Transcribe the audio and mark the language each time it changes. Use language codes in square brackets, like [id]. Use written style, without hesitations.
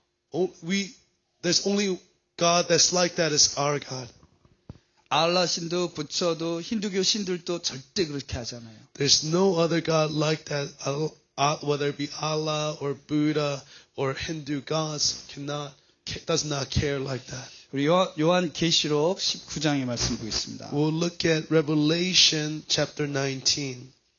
[en] There's only God that's like that is our God. [ko] 알라 신도 부처도 힌두교 신들도 절대 그렇게 하잖아요. [en] There's no other God like that. Whether it be Allah or Buddha or Hindu gods does not care like that. [ko] 우리 요한 계시록 19장의 말씀 보겠습니다. [en] We'll look at Revelation chapter 19.